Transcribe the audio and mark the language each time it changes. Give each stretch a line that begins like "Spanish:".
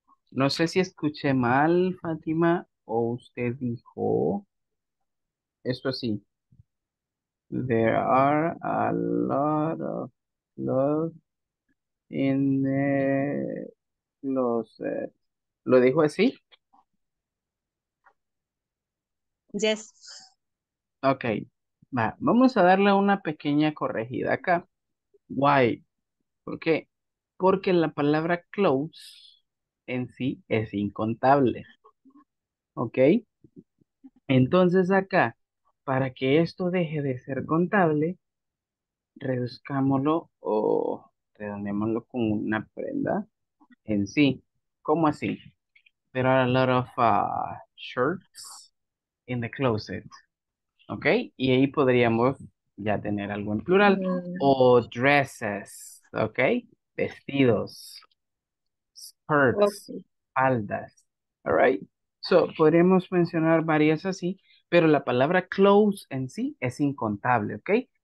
Spanish: No sé si escuché mal, Fátima, o usted dijo esto así.
English: There are a lot of clothes in the closet.
Spanish: ¿Lo dijo así?
English: Yes.
Spanish: Okay. Vamos a darle una pequeña corregida acá.
English: Why?
Spanish: ¿Por qué? Porque la palabra close en sí es incontable. ¿Ok? Entonces acá, para que esto deje de ser contable, reduzcámoslo o redondeémoslo con una prenda en sí. ¿Cómo así?
English: There are a lot of shirts in the closet.
Spanish: ¿Ok? Y ahí podríamos ya tener algo en plural. O dresses, ¿ok? Vestidos, skirts, faldas. All right. So, podríamos mencionar varias así, pero la palabra clothes en sí es incontable, ¿ok?